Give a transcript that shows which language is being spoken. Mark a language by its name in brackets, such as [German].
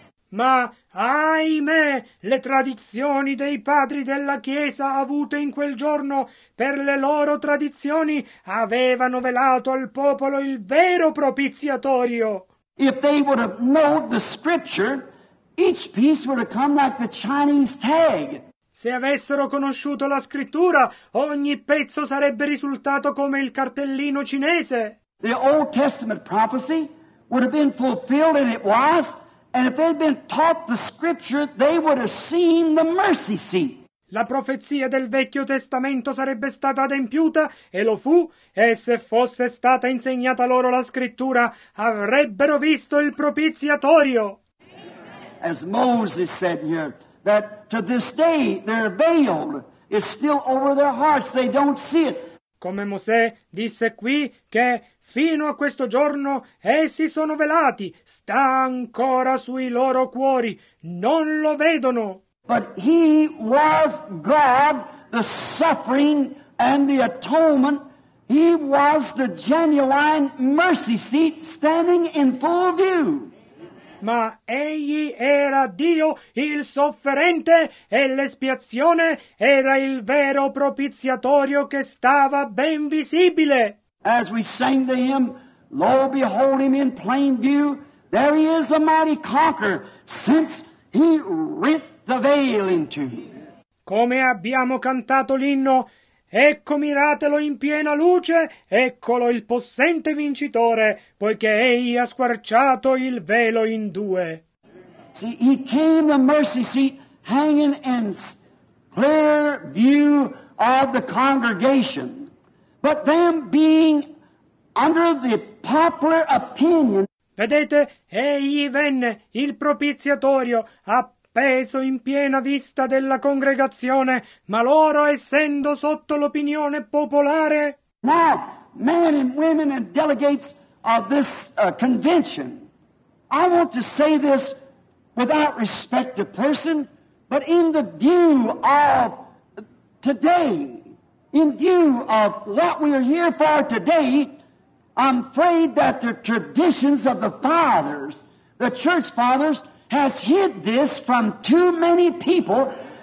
[Italian] Ma, ahimè, le tradizioni dei padri della Chiesa avute in quel giorno, per le loro tradizioni, avevano velato al popolo il vero propiziatorio. [English] If they would have known the scripture, each piece would have come like the Chinese tag. [Italian] Se avessero conosciuto la scrittura, ogni pezzo sarebbe risultato come il cartellino cinese. [English] The Old Testament prophecy would have been fulfilled, and it was, and if they'd been taught the scripture, they would have seen the mercy seat. [Italian] La profezia del Vecchio Testamento sarebbe stata adempiuta, e lo fu, e se fosse stata insegnata loro la scrittura, avrebbero visto il propiziatorio. [English] As Moses said here, that to this day their veil is still over their hearts, they don't see it. [Italian] Come Mosè disse qui che fino a questo giorno essi sono velati, sta ancora sui loro cuori, non lo vedono. [English] But he was God, the suffering and the atonement. He was the genuine mercy seat standing in full view. [Italian] Ma egli era Dio, il sofferente, e l'espiazione era il vero propiziatorio che stava ben visibile. [English] As we sang to him, lo, behold him in plain view, there he is, a mighty conqueror, since he rent the veil in two. [Italian] Come abbiamo cantato l'inno, ecco miratelo in piena luce, eccolo il possente vincitore, poiché egli ha squarciato il velo in due. [English] See, he came the mercy seat hanging in clear view of the congregation. But them being under the popular opinion. [Italian] Vedete, egli venne, il propiziatorio, appeso in piena vista della congregazione, ma loro essendo sotto l'opinione popolare. [English] Now, men and women and delegates of this convention, I want to say this without respect to person, but in the view of today, in view of what we are here for today, I'm afraid that the traditions of the fathers, the church fathers, has hid this from too many people.